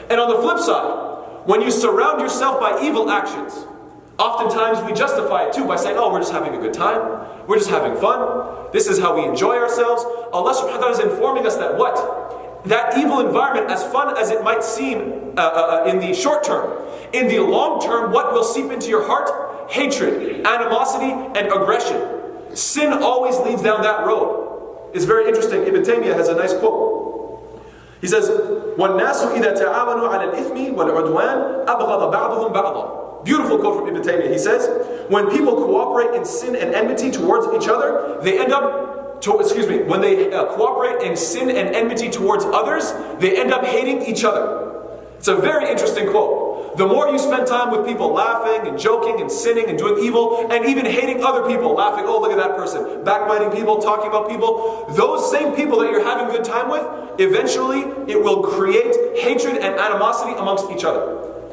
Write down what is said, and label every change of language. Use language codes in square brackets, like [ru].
[en] And on the flip side, when you surround yourself by evil actions, oftentimes we justify it too by saying, oh, we're just having a good time, we're just having fun, this is how we enjoy ourselves. Allah subhanahu wa ta'ala is informing us that what? That evil environment, as fun as it might seem in the short term, in the long term, what will seep into your heart? Hatred, animosity, and aggression. Sin always leads down that road. It's very interesting. Ibn Taymiyyah has a nice quote. He says, [ar] "وَالنَّاسُ إِذَا تَعَاوَنُوا عَلَى الْإِثْمِ وَالْعُدْوَانِ أَبْغَضَ بَعْضُهُمْ بَعْضًا." [en] Beautiful quote from Ibn Taymiyyah. He says, when people cooperate in sin and enmity towards each other, they end up, when they cooperate in sin and enmity towards others, they end up hating each other. It's a very interesting quote. The more you spend time with people laughing and joking and sinning and doing evil and even hating other people, laughing, oh, look at that person, backbiting people, talking about people, those same people that you're having a good time with, eventually it will create hatred and animosity amongst each other.